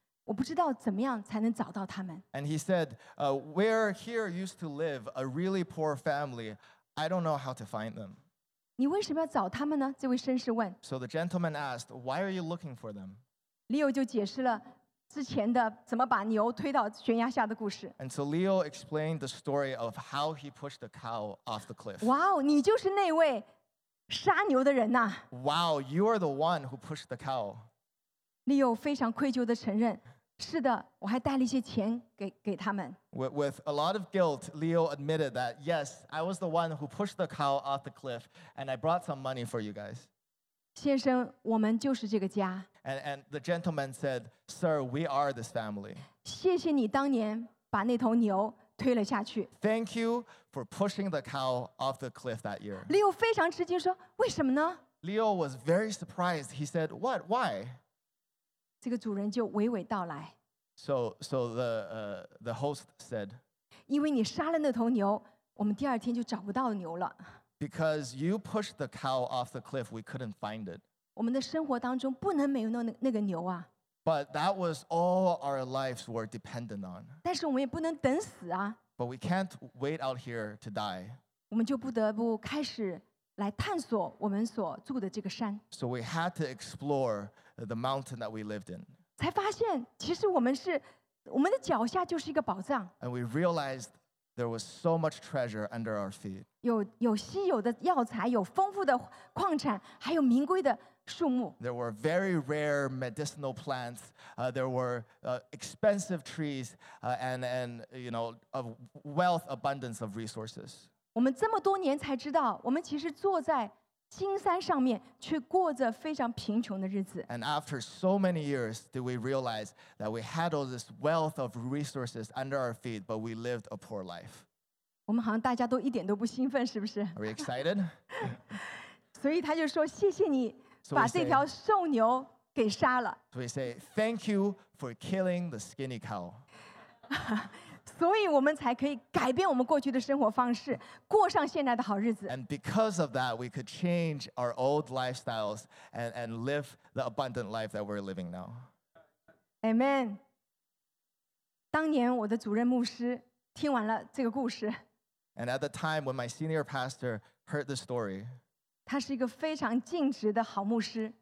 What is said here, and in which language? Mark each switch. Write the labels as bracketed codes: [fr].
[zh] 他就问说，这里曾经住过一家非常穷的人，我不知道怎么样才能找到他们。 [en] And he said, "Where here used to live a really poor family, I don't know how to find them." [zh] 你为什么要找他们呢？这位绅士问。 [en] So the gentleman asked, "Why are you looking for them?" [zh] Leo 就解释了之前的怎么把牛推到悬崖下的故事。 [en] And so Leo explained the story of how he pushed the cow off the cliff. [zh] 哇哦，你就是那位。 [en] Wow, you are the one who pushed the cow. [zh] Leo 非常愧疚地承认，是的，我还带了一些钱给他们。 [en] With a lot of guilt, Leo admitted that yes, I was the one who pushed the cow off the cliff, and I brought some money for you guys. [zh] 先生，我们就是这个家。 [en] And the gentleman said, "Sir, we are this family." [zh] 谢谢你当年把那头牛推了下去。 [en] Thank you for pushing the cow off the cliff that year. [zh] Leo 非常吃惊说，为什么呢？ [en] Leo was very surprised. He said, "What? Why?" [zh] 这个主人就娓娓道来。 [en] So the host said, [zh] 因为你杀了那头牛，我们第二天就找不到牛了。 [en] Because you pushed the cow off the cliff, we couldn't find it. [zh] 我们的生活当中不能没有那个牛啊。 [en] But that was all our lives were dependent on. [zh] 但是我们也不能等死啊。 [en] But we can't wait out here to die. [zh] 我们就不得不开始来探索我们所住的这个山。 [en] So we had to explore the mountain that we lived in. [zh] 才发现其实我们的脚下就是一个宝藏。 [en] And we realized there was so much treasure under our feet. [zh] 有稀有的药材，有丰富的矿产，还有名贵的树木。 [en] There were very rare medicinal plants. There were expensive trees, and you know, of wealth abundance of resources. [zh] 我们这么多年才知道，我们其实坐在金山上面，却过着非常贫穷的日子。 [en] And after so many years, did we realize that we had all this wealth of resources under our feet, but we lived a poor life? [zh] 我们好像大家都一点都不兴奋，是不是？ [en] Are we excited? [zh] 所以他就说：“谢谢你。” 把这条瘦牛给杀了。 [en] So we say, thank you for killing the skinny cow. [zh] 所以我们才可以改变我们过去的生活方式，过上现在的好日子。 [en] And because of that, we could change our old lifestyles and live the abundant life that we're living now. Amen. [zh] 当年我的主任牧师听完了这个故事。 [en] And at the time when my senior pastor heard the story, [zh] 他是一个非常尽职的好牧师。